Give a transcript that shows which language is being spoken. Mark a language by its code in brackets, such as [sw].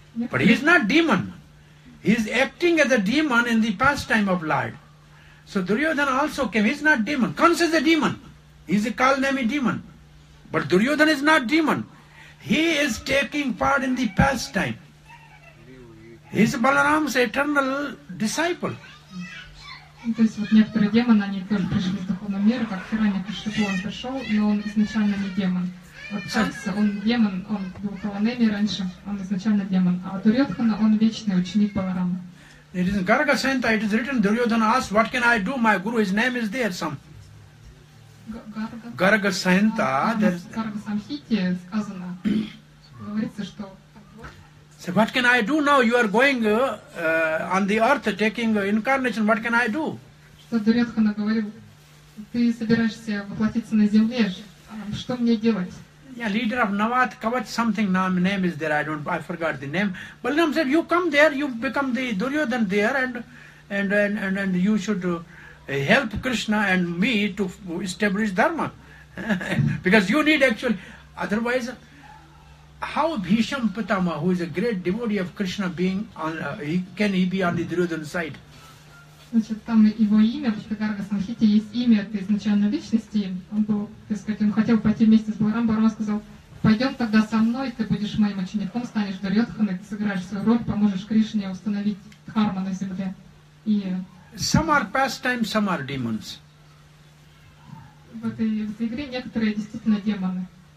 [en] But he is not demon. He is acting as a demon in the pastime of Lord. So Duryodhana also came. He is not demon. Kansa is a demon. He is a Kalnami demon. But Duryodhana is not demon. He is taking part in the pastime. He is Balaram's eternal disciple. [ru] То есть вот некоторые демоны, они тоже пришли из духовного мира, как Хиранья-Кашипу, он пришел, и он изначально не демон. Вот Канса, он демон, он был Каланеми раньше, он изначально демон. А Дурьотхана, он вечный ученик Баларама. [en] It is in Garga Santa, it is written, Duryodhana asked, what can I do? My guru, his name is there, some. Garga Santa. [ru] Garga Самхите сказано, говорится, что... [en] So what can I do now? You are going on the earth, taking incarnation. What can I do? [ru] Что Дурьотхана говорил? Ты собираешься воплотиться на земле? Что мне делать? [en] Yeah, leader of Navat, Kavach something, name is there, I forgot the name. Balaram said, you come there, you become the Duryodhan there, and you should help Krishna and me to establish Dharma. Because you need actually, otherwise, how Bhisham Pitama, who is a great devotee of Krishna, being on, can he be on the Duryodhan side? [ru] Значит, там его имя, в Гарга-самхите есть имя этой изначальной личности. Он был, так сказать, он хотел пойти вместе с Баларамой. Баларама сказал, пойдем тогда со мной, ты будешь моим учеником, станешь Дурьодханой, ты сыграешь свою роль, поможешь Кришне установить дхарму на земле. И... [en] Some are pastimes, some are demons. [ru] В этой игре некоторые действительно демоны.